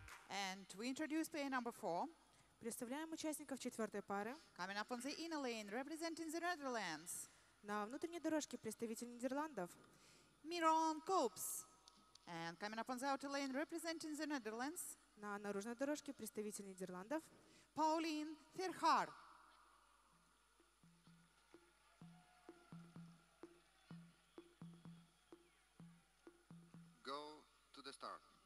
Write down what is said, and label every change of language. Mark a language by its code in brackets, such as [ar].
[en] And we introduce player number four. [ru] Представляем участников четвертой пары. [en] Coming up on the inner lane, representing the Netherlands. [ru] На внутренней дорожке представитель Нидерландов. Мирон Копс. [en] And coming up on the outer lane, representing the Netherlands. [ru] На наружной дорожке представитель Нидерландов. Паулин Ферхар. [en] Go to the start.